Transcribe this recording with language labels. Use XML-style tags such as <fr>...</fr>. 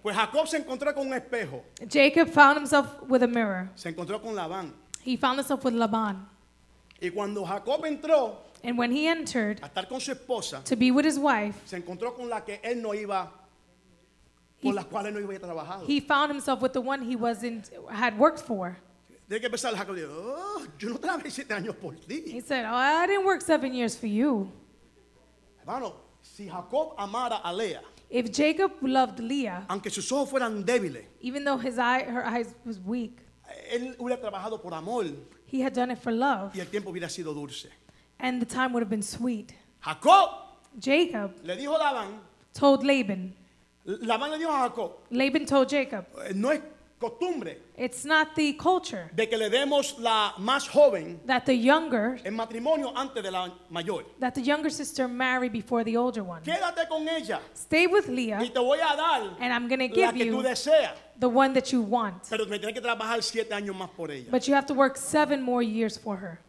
<es>Pues Jacob se encontró con un espejo.</es> <en>Jacob found himself with a mirror.</en> <es>Se encontró con Labán.</es> <en>He found himself with Laban.</en> <es>Y cuando Jacob entró,</es> <en>and when he entered,</en> <es>a estar con su esposa,</es> <en>to be with his wife,</en> <es>se encontró con la que él no iba, con las cuales no iba a trabajar.</es> <en>He found himself with the one he wasn't, had worked for.</en> <es>Tiene que pensar, Jacob dijo, yo no trabajé 7 años por ti.</es> <en>He said, oh, I didn't work 7 years for you.</en> <es>Hermano, si Jacob amara a Leah,</es> <en>if Jacob loved Leah,</en> <es>aunque sus ojos fueran débiles,</es> <en>even though her eyes was weak,</en> <es>él hubiera trabajado por amor,</es> <en>he had done it for love,</en> <es>y el tiempo hubiera sido dulce,</es> <en>and the time would have been sweet.</en> <es>Jacob le dijo a Laban,</es> <en>told Laban,</en> <es>Laban le dijo a Jacob,</es> <en>Laban told Jacob,</en> <es>no es costumbre,</es> <en>it's not the culture,</en> <es>de que le demos la más joven,</es> <en>that the younger,</en> <es>en matrimonio antes de la mayor,</es> <en>that the younger sister marry before the older one.</en> <es>Quédate con ella,</es> <en>stay with Leah,</en> <es>y te voy a dar,</es> <en>and I'm going to give you</en> <es>la que tú deseas,</es> <en>the one that you want.</en> <es>Pero me tienes que trabajar 7 años más por ella.</es> <en>But you have to work 7 more years for her.</en>